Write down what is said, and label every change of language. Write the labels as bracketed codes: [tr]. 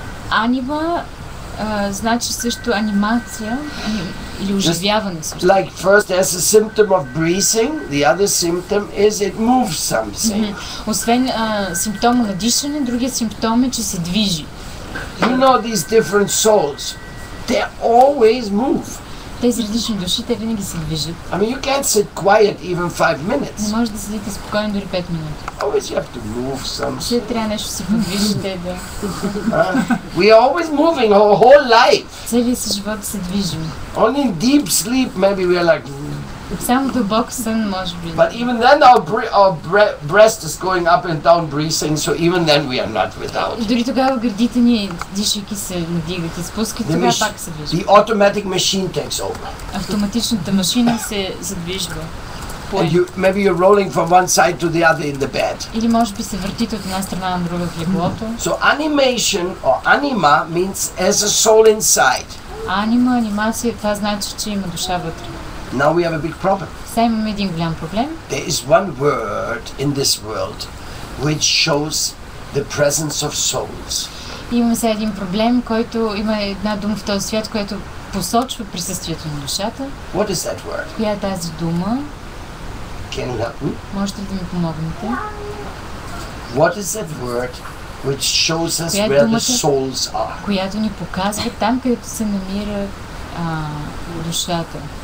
[bg] Анима значи също анимация или оживяване също. [en] Like first there's a symptom of breathing, the other symptom is it moves something. [bg] Освен симптома на дишане, другият симптом е, че се движи. [en] You know these different souls, they always move. [bg] Тези различни души, те винаги се движат. [en] I mean, you can't sit quiet even 5 minutes. [bg] Не може да седите спокойно дори 5 минути. [en] Always you have to move something. [bg] Ще трябва нещо се подвижите, да. [en] We are always moving our whole life. [bg] Целият си живот се движим. [en] Only in deep sleep maybe we are like... [bg] Само дълбок сън може би. [en] But even then our breast is going up and down breathing, so even then we are not without. [bg] Дори тогава гърдите ни, дишайки се, надигат и спускат, тогава пак се движат. [en] The automatic machine takes over. [bg] Автоматичната машина се задвижва. [en] And you, maybe you're rolling from one side to the other in the bed. [bg] Или може би се въртите от една страна на друга в леглото. [en] So animation or anima means as a soul inside. [bg] Анима, анимация, това значи, че има душа вътре. [en] Now we have a big problem. [bg] Сега имаме един голям проблем. [en] There is one word in this world which shows the presence of souls. [bg] Имаме сега един проблем, който има една дума в този свят, която посочва присъствието на душата. [en] What is that word? [bg] Коя е тази дума? [en] Can you help me? [bg] Можете ли да ми помогнете? [en] What is that word which shows us where the souls are? [bg] Която ни показва там, където се намира душата.